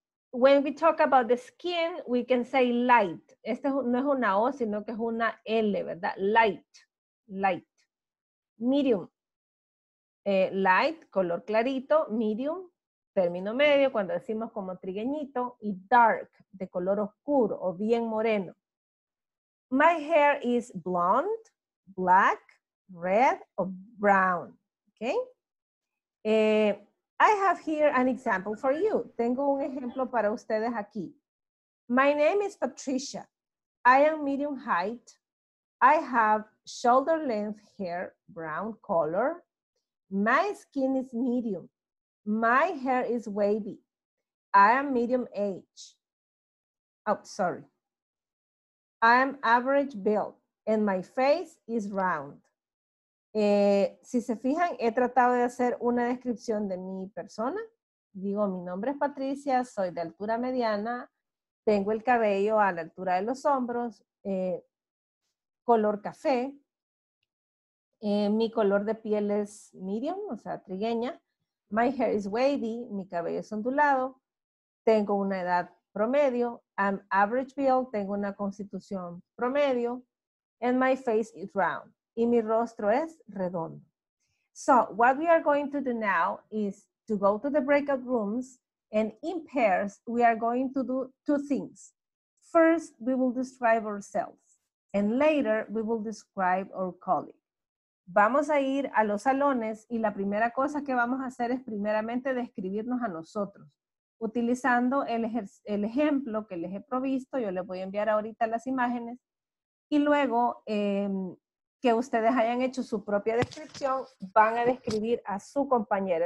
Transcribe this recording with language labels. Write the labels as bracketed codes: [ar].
[en] When we talk about the skin, we can say light. [es] Este no es una O, sino que es una L, ¿verdad? [en] Light. Light. Medium. Light, [es] color clarito. Medium, término medio, cuando decimos como trigueñito. Y dark, de color oscuro o bien moreno. [en] My hair is blonde, black, red, or brown. [es] Okay? [en] I have here an example for you. [es] Tengo un ejemplo para ustedes aquí. [en] My name is Patricia. I am medium height. I have shoulder length hair, brown color. My skin is medium. My hair is wavy. I am medium age. Oh, sorry. I am average build and my face is round. [es] Si se fijan, he tratado de hacer una descripción de mi persona. Digo, mi nombre es Patricia, soy de altura mediana, tengo el cabello a la altura de los hombros, color café, mi color de piel es medium, o sea, trigueña. [en] My hair is wavy, [es] mi cabello es ondulado, tengo una edad promedio, [en] I'm average build, [es] tengo una constitución promedio, [en] and my face is round. [es] Y mi rostro es redondo. [en] So, what we are going to do now is to go to the breakout rooms, and in pairs, we are going to do two things. First, we will describe ourselves, and later, we will describe our colleague. [es] Vamos a ir a los salones, y la primera cosa que vamos a hacer es primeramente describirnos a nosotros. Utilizando el ejemplo que les he provisto, yo les voy a enviar ahorita las imágenes. Y luego, que ustedes hayan hecho su propia descripción, van a describir a su compañero.